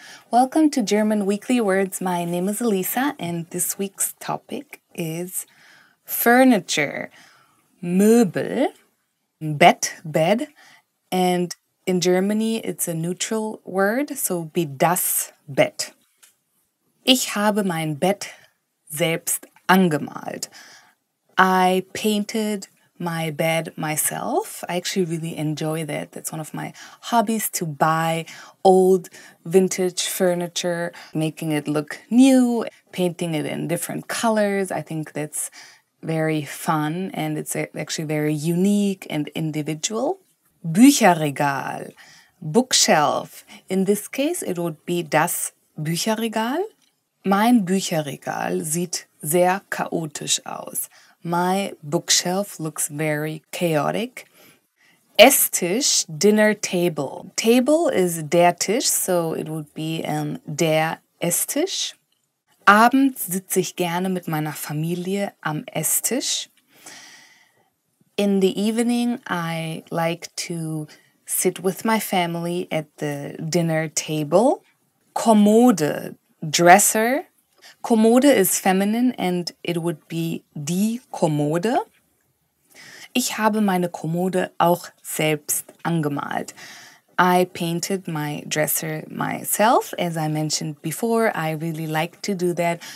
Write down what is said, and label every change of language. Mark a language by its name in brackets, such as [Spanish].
[English] Welcome to German Weekly Words. My name is Elisa, and this week's topic is furniture, Möbel, Bett, bed. And in Germany, it's a neutral word, so be das Bett. [German] Ich habe mein Bett selbst angemalt. [English] I painted my bed myself. I actually really enjoy that. That's one of my hobbies, to buy old vintage furniture, making it look new, painting it in different colors. I think that's very fun, and it's actually very unique and individual. Bücherregal, bookshelf. In this case, it would be das Bücherregal. [German] Mein Bücherregal sieht sehr chaotisch aus. [English] My bookshelf looks very chaotic. Esstisch, dinner table. Table is der Tisch, so it would be der Esstisch. [German] Abends sitze ich gerne mit meiner Familie am Esstisch. [English] In the evening, I like to sit with my family at the dinner table. Kommode, dresser. Kommode is feminine, and it would be die Kommode. [German] Ich habe meine Kommode auch selbst angemalt. [English] I painted my dresser myself. As I mentioned before, I really like to do that.